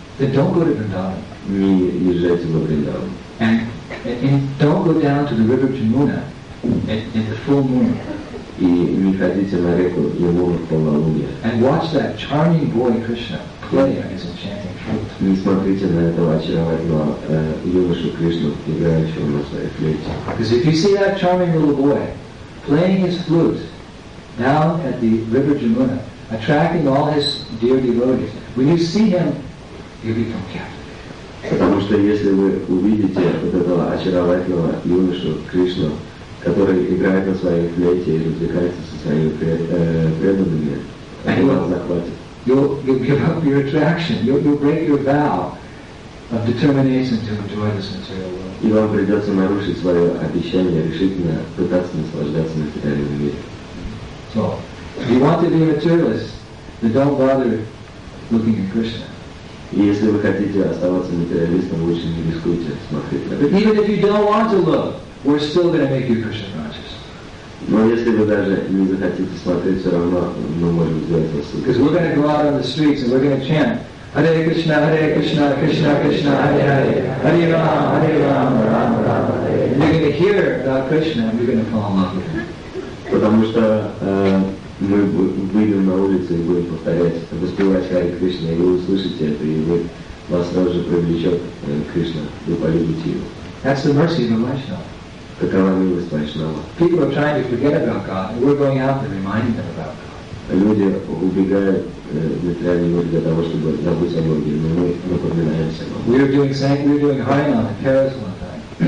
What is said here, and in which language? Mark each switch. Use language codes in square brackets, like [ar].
[en] then don't go to Vrindavan. [ru] Не езжайте во Вриндаван. [en] And don't go down to the river Jamuna in the full moon. [ru] И не ходите на реку Ямуна в полнолуние. [en] And watch that charming boy Krishna play on his enchanting flute. [ru] Не смотрите на этого очаровательного юношу Кришну, играющего на своей флейте. [en] Because if you see that charming little boy playing his flute down at the river Jamuna, attracting all his dear devotees, when you see him, you'll become captive. [ru] Потому что если вы увидите вот этого очаровательного юношу Кришну, который играет на своей флейте и развлекается со своими преданными, он вас захватит. [en] You'll give up your attraction. You'll break your vow of determination to enjoy this material world. [ru] И вам придется нарушить свое обещание решительно пытаться наслаждаться материальным миром. [en] So, if you want to be a materialist, then don't bother looking at Krishna. [ru] Если вы хотите оставаться материалистом, лучше не рискуйте смотреть. [en] But even if you don't want to look, we're still going to make you Krishna conscious. [ru] Но если вы даже не захотите смотреть, все равно мы можем сделать вас. [en] Because we're going to go out on the streets and we're going to chant Hare Krishna, Hare Krishna, Krishna Krishna, Hare Hare, Hare Rama, Hare Rama, Rama Rama, Rama Rama. And you're going to hear about Krishna and you're going to fall in love with him. [ru] Потому что мы выйдем на улицу и будем повторять, воспевать Харе Кришна, и вы услышите это, и вы, вас сразу же привлечет Кришна, вы полюбите его. [en] That's the mercy of the Vaishnava. [ru] Какова милость Вайшнава? [en] People are trying to forget about God, and we're going out and reminding them about God. [ru] Люди убегают для того, чтобы забыть о Боге, но мы напоминаемся вам. [en] We were doing Harinam in Paris one time.